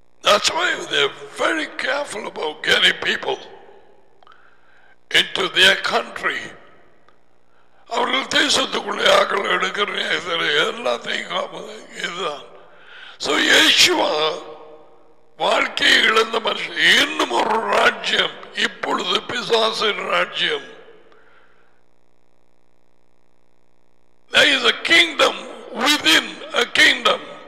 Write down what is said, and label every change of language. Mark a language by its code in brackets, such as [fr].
[en] That's why they're very careful about getting people into their country. [ta] அவர்கள் தேசத்துக்குள்ளே ஆக்கள் எடுக்கிற எல்லாத்தையும் இதுதான். சோ யேசுவா வாழ்க்கையை இழந்த மனுஷன் இன்னும் ஒரு ராஜ்யம், இப்பொழுது பிசாசின் ராஜ்யம். [en] There is a kingdom within a kingdom.